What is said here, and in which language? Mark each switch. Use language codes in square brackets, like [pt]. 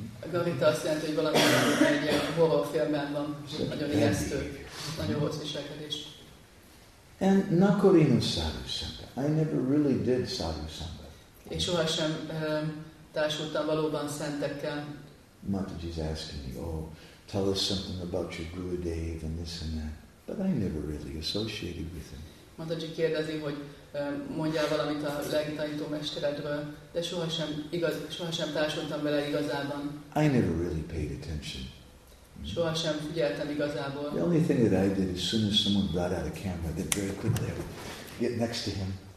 [hu] Garita azt jelenti, hogy valami egy horror filmben van. Nagyon ijesztő. Nagyon rossz viselkedés. [en] And [sa] nakorino sadhu sangha. [en] I never really did sadhu sangha. [hu] És sohasem társultam valóban szentekkel. [en] Mataji is asking me, oh, tell us something about your Gurudev and this and that. But I never really associated with him. [hu] Mataji kérdezi, hogy mondjál valamit a legtanító mesteredről, de sohasem társultam vele igazában. [en] I never really paid attention. [hu] Sohasem figyeltem igazából. [en] The only thing that I did, as soon as someone brought out a camera, then very quickly I would get next to him.